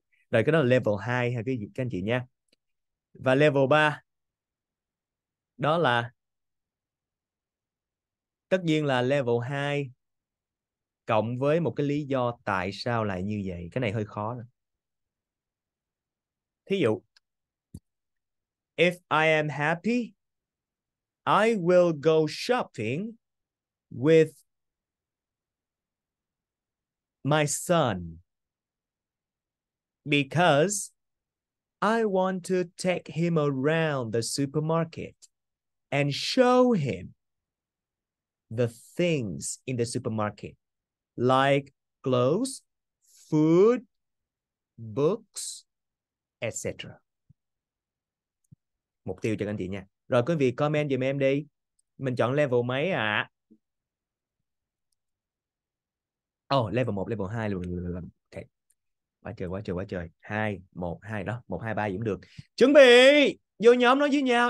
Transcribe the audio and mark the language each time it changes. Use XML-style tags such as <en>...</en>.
<vi>Rồi, cái đó là level 2 ha, các anh chị nha. Và level 3, đó là, tất nhiên là level 2 cộng với một cái lý do tại sao lại như vậy. Cái này hơi khó. Thí dụ,</vi> <en>if I am happy, I will go shopping with my son because I want to take him around the supermarket and show him the things in the supermarket like clothes, food, books, etc.</en> <vi>Mục tiêu cho anh chị nha. Rồi quý vị comment giùm em đi. Mình chọn level mấy ạ? À? Oh, level 1, level 2, level... Okay. Quá trời. 2, 1, 2, đó. 1, 2, 3 gì cũng được. Chuẩn bị! Vô nhóm nói với nhau.</vi>